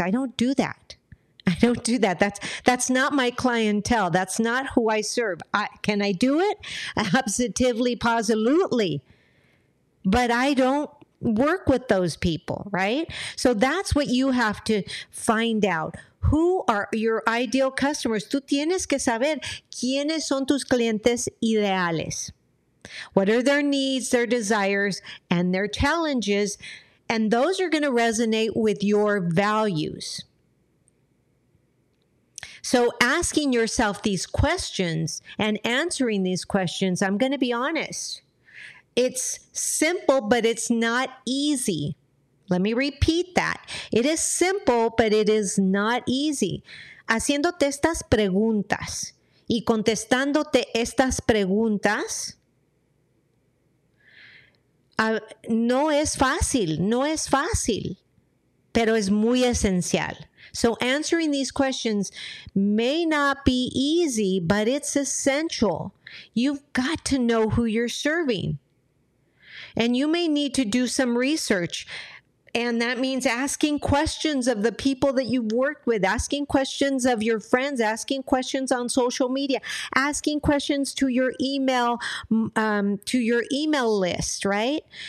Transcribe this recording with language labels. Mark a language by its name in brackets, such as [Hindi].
[English] I don't do that. That's not my clientele. That's not who I serve. Can I do it? Absolutely, positively. But I don't work with those people, right? So that's what you have to find out. Who are your ideal customers? [Spanish] Tú tienes que saber quiénes son tus clientes ideales. [English] What are their needs, their desires, and their challenges? And those are going to resonate with your values. So asking yourself these questions and answering these questions, I'm going to be honest, it's simple, but it's not easy. Let me repeat that. It is simple, but it is not easy. [Spanish] Haciéndote estas preguntas y contestándote estas preguntas, no es fácil, no es fácil, pero es muy esencial. [English] So answering these questions may not be easy, but it's essential. You've got to know who you're serving. And you may need to do some research. And that means asking questions of the people that you've worked with, asking questions of your friends, asking questions on social media, asking questions to your email, list, right?